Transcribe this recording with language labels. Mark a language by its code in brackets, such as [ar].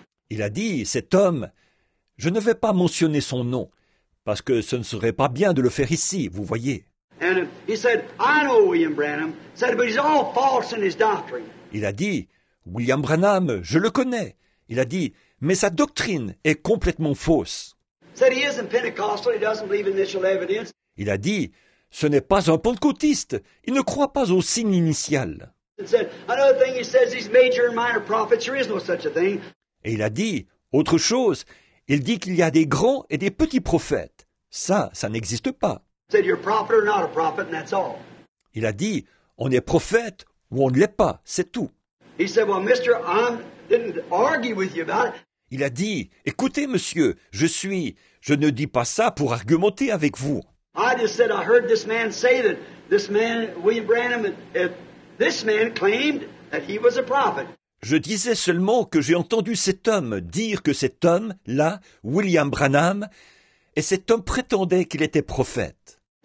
[fr] Il a dit, cet homme, je ne vais pas mentionner son nom, parce que ce ne serait pas bien de le faire ici, vous voyez. [en] And he said, I know William Branham. Said, but he's all false in his doctrine. [fr] Il a dit, William Branham, je le connais. Il a dit, mais sa doctrine est complètement fausse. [en] Said, he isn't Pentecostal. He doesn't believe in initial evidence. [fr] Il a dit, ce n'est pas un pentecôtiste. Il ne croit pas au signe initial. [en] And said, another thing he says, these major and minor prophets, there is no such a thing. [fr] Et il a dit, autre chose, il dit qu'il y a des grands et des petits prophètes. Ça n'existe pas. [en] said you're a prophet or not a prophet, and that's all. [fr] Il a dit, on est prophète ou on ne l'est pas, c'est tout. [en] He said, well, mister, I didn't argue with you about it. [fr] Il a dit, écoutez, monsieur, je ne dis pas ça pour argumenter avec vous. [en] I just said, I heard this man say that this man, William Branham, this man claimed that he was a prophet. [fr] Je disais seulement que j'ai entendu cet homme dire que cet homme-là, William Branham, et cet homme prétendait qu'il était prophète.